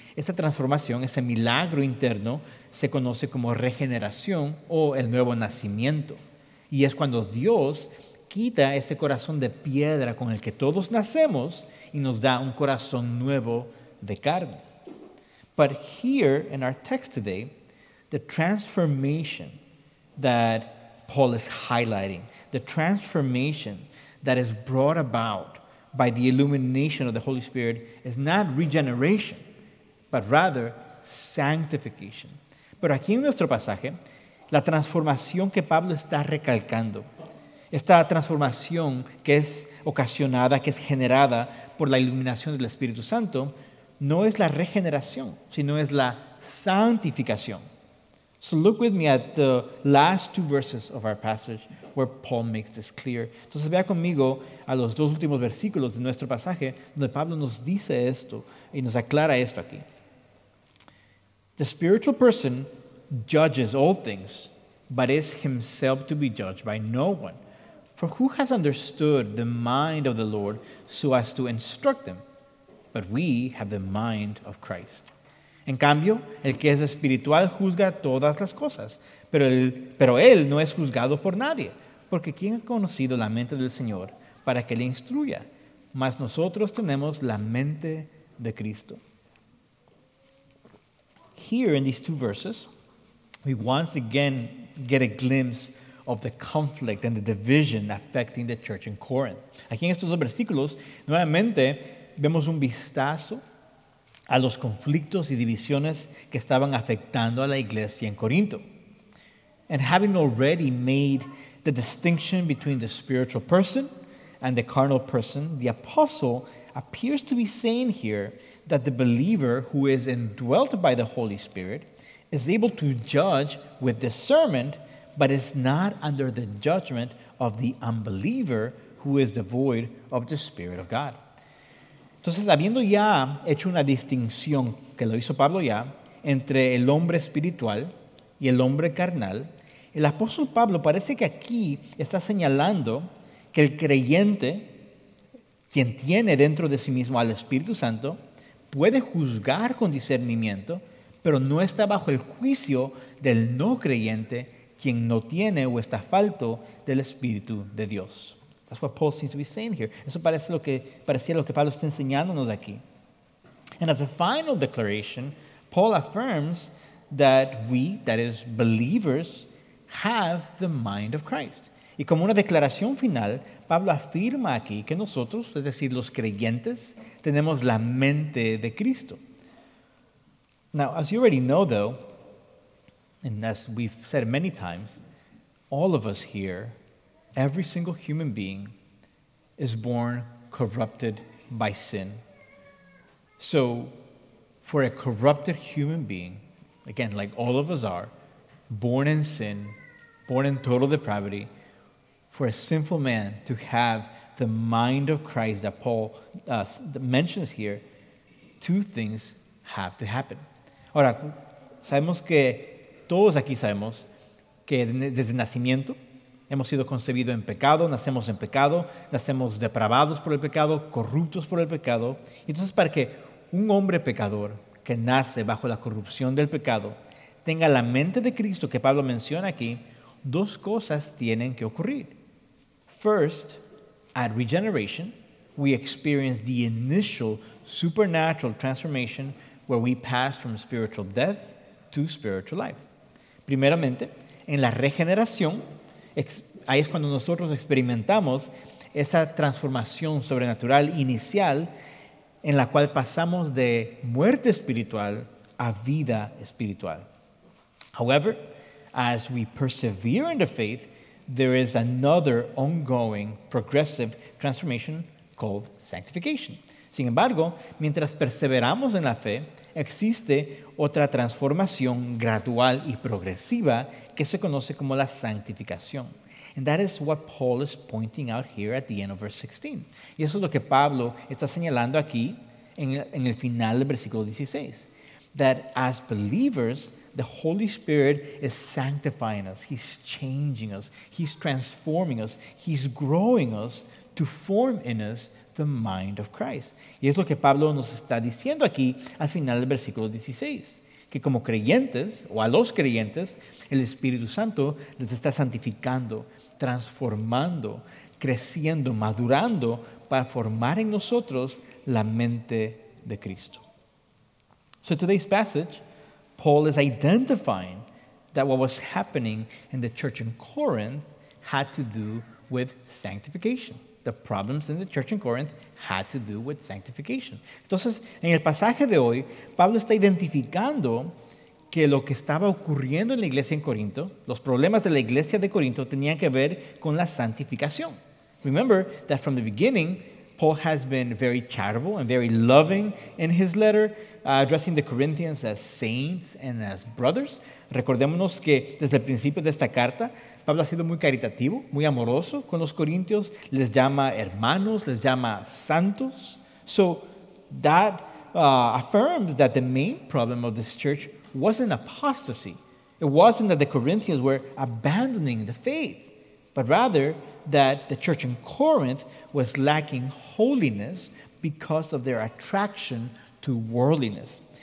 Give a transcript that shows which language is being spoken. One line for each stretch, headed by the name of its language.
Spanish: Esta transformación, ese milagro interno, se conoce como regeneración o el nuevo nacimiento. Y es cuando Dios quita ese corazón de piedra con el que todos nacemos y nos da un corazón nuevo de carne.
English: But here in our text today, the transformation that Paul is highlighting, the transformation that is brought about by the illumination of the Holy Spirit is not regeneration, but rather sanctification.
Spanish: Pero aquí en nuestro pasaje, la transformación que Pablo está recalcando, esta transformación que es ocasionada, que es generada por la iluminación del Espíritu Santo, no es la regeneración, sino es la santificación.
English: So look with me at the last two verses of our passage where Paul makes this clear.
Spanish: Entonces vea conmigo a los dos últimos versículos de nuestro pasaje donde Pablo nos dice esto y nos aclara esto aquí.
English: The spiritual person judges all things, but is himself to be judged by no one. For who has understood the mind of the Lord so as to instruct him? But we have the mind of Christ.
Spanish: En cambio, el que es espiritual juzga todas las cosas, pero él no es juzgado por nadie, porque ¿quién ha conocido la mente del Señor para que le instruya? Mas nosotros tenemos la mente de Cristo.
English: Here in these two verses, we once again get a glimpse of the conflict and the division affecting the church in Corinth.
Spanish: Aquí en estos dos versículos, nuevamente vemos un vistazo a los conflictos y divisiones que estaban afectando a la iglesia en Corinto.
English: And having already made the distinction between the spiritual person and the carnal person, the apostle appears to be saying here that the believer who is indwelt by the Holy Spirit is able to judge with discernment, but is not under the judgment of the unbeliever who is devoid of the Spirit of God.
Spanish: Entonces, habiendo ya hecho una distinción, que lo hizo Pablo ya, entre el hombre espiritual y el hombre carnal, el apóstol Pablo parece que aquí está señalando que el creyente, quien tiene dentro de sí mismo al Espíritu Santo, puede juzgar con discernimiento, pero no está bajo el juicio del no creyente, quien no tiene o está falto del Espíritu de Dios.
English: That's what Paul seems to be saying here.
Spanish: Eso parece lo que parecía lo que Pablo está enseñándonos aquí.
English: And as a final declaration, Paul affirms that we, that is, believers, have the mind of Christ.
Spanish: Y como una declaración final, Pablo afirma aquí que nosotros, es decir, los creyentes, tenemos la mente de Cristo.
English: Now, as you already know, though, and as we've said many times, all of us here, every single human being is born corrupted by sin. So for a corrupted human being, again, like all of us are, born in sin, born in total depravity, for a sinful man to have the mind of Christ that Paul mentions here, two things have to happen.
Spanish: Ahora, sabemos que todos aquí sabemos que desde nacimiento hemos sido concebidos en pecado, nacemos depravados por el pecado, corruptos por el pecado. Entonces, para que un hombre pecador que nace bajo la corrupción del pecado tenga la mente de Cristo que Pablo menciona aquí, dos cosas tienen que ocurrir.
English: First, at regeneration, we experience the initial supernatural transformation where we pass from spiritual death to spiritual life.
Spanish: Primeramente, en la regeneración, ahí es cuando nosotros experimentamos esa transformación sobrenatural inicial en la cual pasamos de muerte espiritual a vida espiritual.
English: However, as we persevere in the faith, there is another ongoing progressive transformation called sanctification.
Spanish: Sin embargo, mientras perseveramos en la fe, existe otra transformación gradual y progresiva que se conoce como la santificación.
English: And that is what Paul is pointing out here at the end of verse 16.
Spanish: Y eso es lo que Pablo está señalando aquí en el final del versículo 16.
English: That as believers, the Holy Spirit is sanctifying us. He's changing us. He's transforming us. He's growing us to form in us the mind of Christ.
Spanish: Y es lo que Pablo nos está diciendo aquí al final del versículo 16. Que como creyentes, o a los creyentes, el Espíritu Santo les está santificando, transformando, creciendo, madurando, para formar en nosotros la mente de Cristo.
English: So today's passage, Paul is identifying that what was happening in the church in Corinth had to do with sanctification. The problems in the church in Corinth had to do with sanctification.
Spanish: Entonces, en el pasaje de hoy, Pablo está identificando que lo que estaba ocurriendo en la iglesia en Corinto, los problemas de la iglesia de Corinto, tenían que ver con la santificación.
English: Remember that from the beginning, Paul has been very charitable and very loving in his letter, addressing the Corinthians as saints and as brothers.
Spanish: Recordémonos que desde el principio de esta carta, Pablo ha sido muy caritativo, muy amoroso con los corintios. Les llama hermanos, les llama santos.
English: So that affirms that the main problem of this church wasn't apostasy. It wasn't that the Corinthians were abandoning the faith, but rather that the church in Corinth was lacking holiness because of their attraction to worldliness.